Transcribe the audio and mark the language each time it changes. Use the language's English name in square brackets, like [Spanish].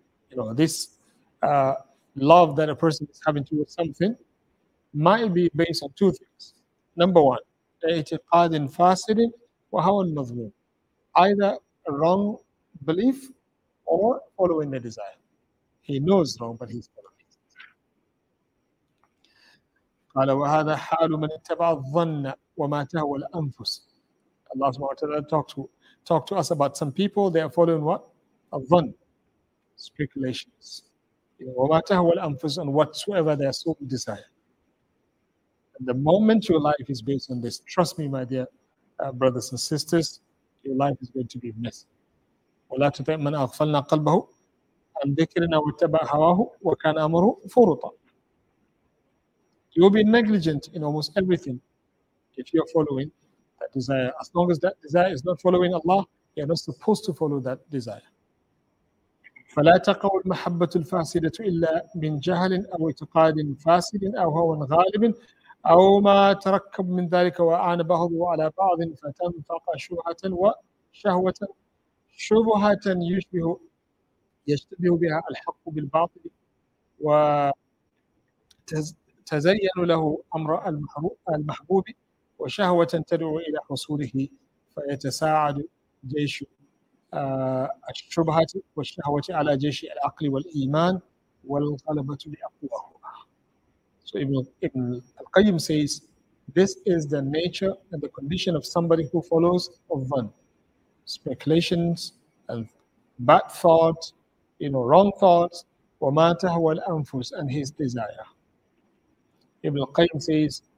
[English] You know, this love that a person is having towards something might be based on two things. Number one, [Arabic] i'tiqadin fasidin wa hawan madhmum. [English] Either a wrong belief or following the desire. He knows wrong, but he's following. [Arabic] قال وهذا حال من اتبع الظن وما تهوى الانفس. [English] Allah subhanahu wa ta'ala talk to us about some people. They are following what? Al-dhan, speculations. [Arabic] وَمَا تَهْوَى الْأَنفُسُ, [English] and whatsoever their soul desire. And the moment your life is based on this, trust me, my dear brothers and sisters, your life is going to be messy. [Arabic] وَلَا تُطِعْ مَنْ أَغْفَلْنَا قَلْبَهُ عَنْ ذِكْرِنَا وَاتَّبَعَ هَوَاهُ وَكَانَ أَمْرُهُ فُرُطًا. [English] You will be negligent in almost everything if you're following that desire. As long as that desire is not following Allah, you're not supposed to follow that desire. [Arabic] فَلَا تَقَوُ الْمَحَبَّةُ الْفَاسِدَةُ إِلَّا مِنْ جَهَلٍ أَوْ اِتِقَادٍ فَاسِدٍ أَوْ هَوًا غَالِبٍ أو ما تركب من ذلك وأعان بعضه على بعض فتنفق شبهة وشهوة شبهة يشتبه بها الحق بالباطل وتزين له أمر المحبوب وشهوة تدعو إلى حصوله فيتساعد جيش الشبهة والشهوة على جيش العقل والإيمان والغلبة لأقواه. [English] So Ibn al-Qayyim says, this is the nature and the condition of somebody who follows a dhan. Speculations and bad thoughts, you know, wrong thoughts, [Arabic] وَمَا تَهْوَى الْأَنفُسُ, [English] and his desire. Ibn al-Qayyim says,